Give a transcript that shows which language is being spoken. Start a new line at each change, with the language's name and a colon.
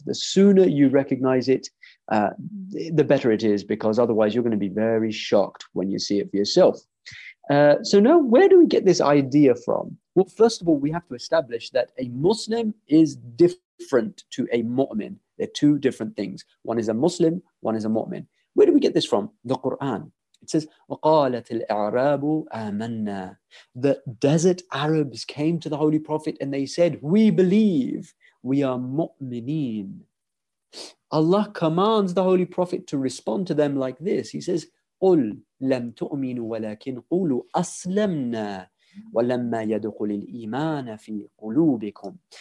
English: The sooner you recognize it, the better it is, because otherwise you're going to be very shocked when you see it for yourself. So now, where do we get this idea from? Well, first of all, we have to establish that a Muslim is different to a mu'min. They're two different things. One is a Muslim, one is a mu'min. Where do we get this from? The Quran.
Arabic: It says, وَقَالَتِ الْإِعْرَابُ آمَنَّا.
English: The desert Arabs came to the Holy Prophet and they said, we believe, we are mu'mineen. Allah commands the Holy Prophet to respond to them like this. He says,
Arabic: قُلْ لَمْ تُؤْمِنُوا وَلَكِنْ قُولُوا أَسْلَمْنَا وَلَمَّا يَدْخُلِ الْإِيمَانَ فِي قُلُوبِكُمْ.